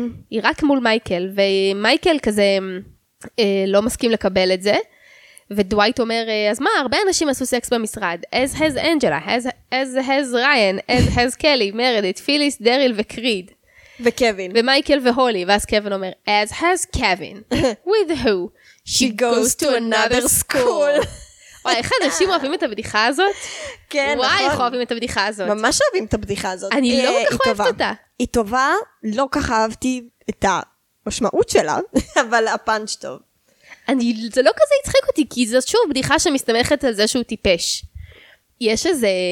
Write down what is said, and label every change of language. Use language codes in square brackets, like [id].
[he] היא רק מול מייקל, ומייקל כזה לא מסכים לקבל את זה, ודווייט אומר, אז מה, הרבה אנשים עשו סקס במשרד, [en] as has Angela, as has Ryan, as has Kelly, [he] Meredith, Phyllis, Daryl וקריד. וקווין. ומייקל והולי, ואז קווין אומר, [en] as has Kevin, with who? She goes to another school. [he] וואי, איך אנשים אוהבים את הבדיחה הזאת? כן, וואי, נכון. וואי, איך אוהבים את הבדיחה הזאת? ממש אוהבים את הבדיחה הזאת. אני לא כל כך אוהבת אותה. היא טובה, לא כך אהבתי את המשמעות שלה, אבל הפאנץ' טוב. זה לא כזה יצחק אותי, כי זאת שוב בדיחה שמסתמכת על זה שהוא טיפש. יש איזה...